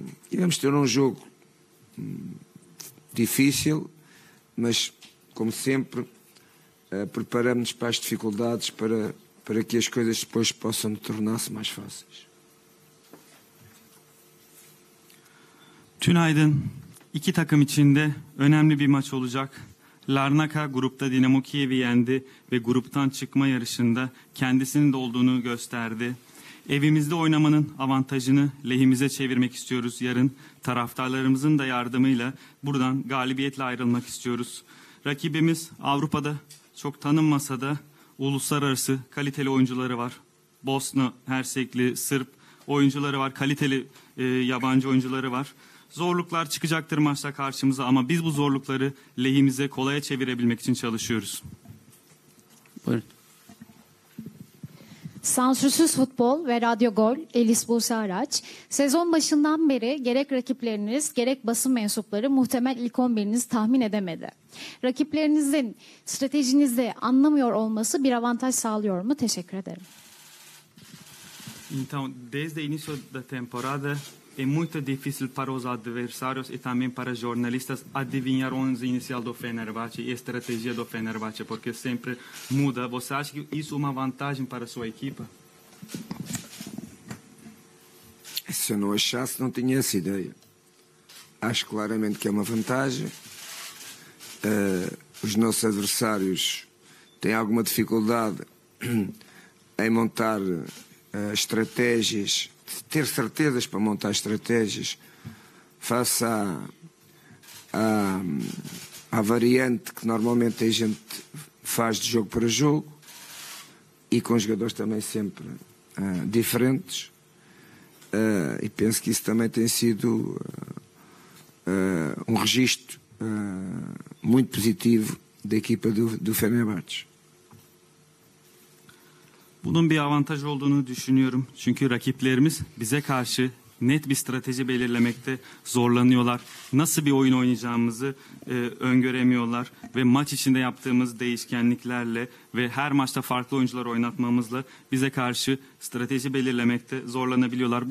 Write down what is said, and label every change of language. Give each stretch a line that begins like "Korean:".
Portuguese: Iremos ter um jogo difícil, mas, como sempre, preparamos-nos para as dificuldades, para que as coisas depois possam tornar-se mais fáceis.
Turkish: Tünaydın. İki takım için de önemli bir maç olacak. Larnaka grupta Dinamo Kiev'i yendi ve gruptan çıkma yarışında kendisinin de olduğunu gösterdi. Evimizde oynamanın avantajını lehimize çevirmek istiyoruz yarın. Taraftarlarımızın da yardımıyla buradan galibiyetle ayrılmak istiyoruz. Rakibimiz Avrupa'da çok tanınmasa da uluslararası kaliteli oyuncuları var. Bosna, Hersekli, Sırp oyuncuları var, kaliteli yabancı oyuncuları var. Zorluklar çıkacaktır maçta karşımıza ama biz bu zorlukları lehimize kolaya çevirebilmek için çalışıyoruz. Buyurun. Sansürsüz Futbol ve Radyo Gol, Elis Buse Araç. Sezon başından beri gerek rakipleriniz gerek basın mensupları muhtemel ilk 11'inizi tahmin edemedi. Rakiplerinizin stratejinizi anlamıyor olması bir avantaj sağlıyor mu? Teşekkür ederim.
Portuguese: Então, desde início da temporada é muito difícil para os adversários e também para jornalistas adivinhar o 11 inicial do Fenerbahçe e a estratégia do Fenerbahçe, porque sempre muda. Você acha que isso é uma vantagem para a sua equipa? Se eu não achasse, não tinha essa ideia. Acho claramente que é uma vantagem. Os nossos adversários têm alguma dificuldade em montar estratégias, ter certezas para montar estratégias face à variante que normalmente a gente faz de jogo para jogo e com jogadores também sempre diferentes, e penso que isso também tem sido um registro muito positivo da equipa do Fenerbahçe.
Turkish: Bunun bir avantaj olduğunu düşünüyorum. Çünkü rakiplerimiz bize karşı net bir strateji belirlemekte zorlanıyorlar. Nasıl bir oyun oynayacağımızı öngöremiyorlar. Ve maç içinde yaptığımız değişkenliklerle ve her maçta farklı oyuncular oynatmamızla bize karşı strateji belirlemekte zorlanabiliyorlar.